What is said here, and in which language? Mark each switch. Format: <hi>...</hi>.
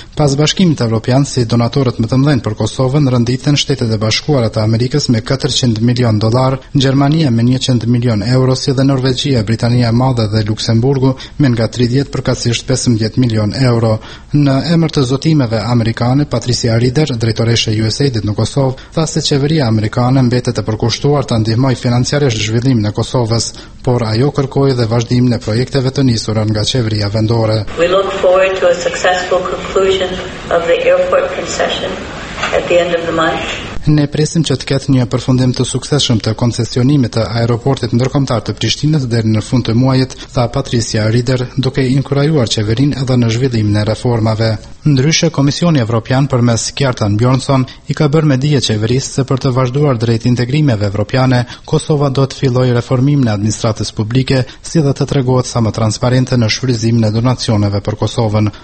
<sq>Pas Bashkimit Evropian si donatorët më të mëdhenj për Kosovën renditen Shtetet e Bashkuara të Amerikës me 400 milion dollar, Gjermania me 100 milion euro, si dhe Norvegjia, Britania e Madhe dhe Luksemburgu me nga 30 përkatësisht 15 milion euro. Në emër të zotimeve amerikane, Patricia Reeder, drejtoreshe USAID-it në Kosovë, tha se qeveria amerikane mbetet e përkushtuar ta ndihmojë financiarisht zhvillimin e Kosovës, por ajo kërkoi dhe vazhdim në projekteve të nisura nga qeveria vendore.</sq> <en>We look forward to a successful conclusion of the airport concession at the end of the month.</en> <sq>Ne presim që të ketë një përfundim të suksesshëm të koncesionimit të aeroportit ndërkombëtar të Prishtinës deri në fund të muajit, tha Patricia Reeder, duke inkurajuar qeverinë edhe në zhvillimin e reformave. Ndryshe, Komisioni Evropian përmes Kjartan Bjornson i ka bërë me dije qeverisë se për të vazhduar drejt integrimeve evropiane, Kosova do të fillojë reformimin e administratës publike, si dhe të tregohet sa më transparente në shfrytëzimin e donacioneve për Kosovën.</sq>